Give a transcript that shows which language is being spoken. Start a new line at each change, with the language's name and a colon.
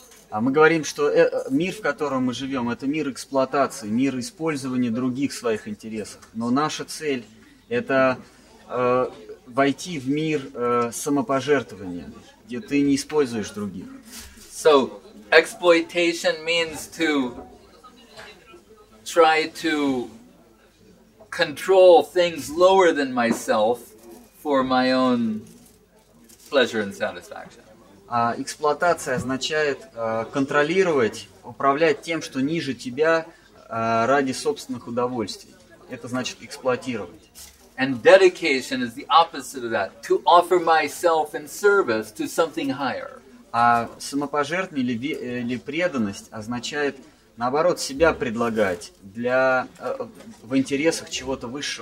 Russian: Мы говорим, что мир, в котором мы живем, это мир эксплуатации, мир использования других своих интересов. Но наша цель – это войти в мир самопожертвования, где ты не используешь других.
English: So, exploitation means to try to control things lower than myself for my own pleasure and satisfaction.
Russian: Эксплуатация означает контролировать, управлять тем, что ниже тебя, ради собственных удовольствий. Это значит эксплуатировать.
English: And dedication is the opposite of that, to offer myself in service to something higher.
Russian: А самопожертвование или преданность означает наоборот, себя предлагать для в интересах чего-то высшего.